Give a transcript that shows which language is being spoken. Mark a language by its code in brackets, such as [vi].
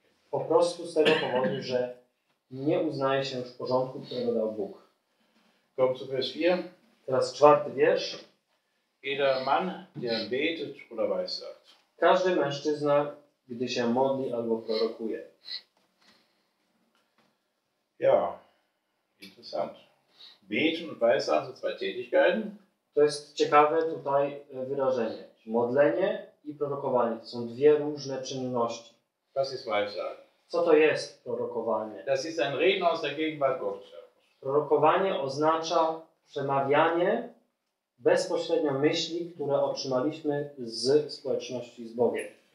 [pl] Po prostu z tego powodu, że nie uznaje się już porządku, którego dał Bóg. [de] Kommt zu Vers 4. [pl] Teraz czwarty wiersz. [de] Jeder Mann, der betet oder weissagt. [pl] Każdy mężczyzna, gdy się modli albo prorokuje. [de] Ja, interessant. Beten und weissagen [pl] to [de] zwei Tätigkeiten. [pl] To jest ciekawe tutaj wyrażenie. Modlenie i prorokowanie. To są dwie różne czynności. [de] Das ist Weissagen. [pl] Co to jest prorokowanie? [de] Das ist ein Reden aus der Gegenwart Gottes. [pl] Prorokowanie oznacza przemawianie bezpośrednio myśli, które otrzymaliśmy z społeczności z Bogiem.